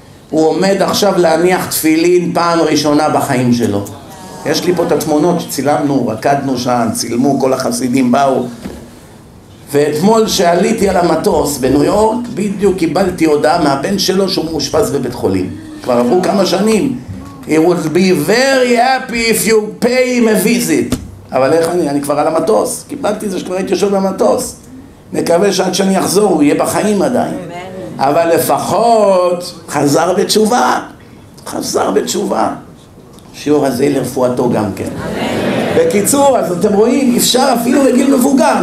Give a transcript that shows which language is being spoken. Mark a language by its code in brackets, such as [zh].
[he] הוא עומד עכשיו להניח תפילין פעם ראשונה בחיים שלו. יש לי פה את התמונות שצילמנו, רקדנו שם, צילמו, כל החסידים באו. ואתמול שעליתי על המטוס בניו יורק, בדיוק קיבלתי הודעה מהבן שלו שהוא מאושפז בבית חולים. כבר עברו כמה שנים. [en] He would be very happy if you pay him a visit. [he] אבל איך אני כבר על המטוס. קיבלתי זה שכבר הייתי יושב במטוס. נקווה שעד שאני אחזור, הוא יהיה בחיים עדיין. אבל לפחות חזר בתשובה. חזר בתשובה. שיעור הזה לרפואתו גם כן. בקיצור, אז אתם רואים, אפשר אפילו לגיל מבוגר.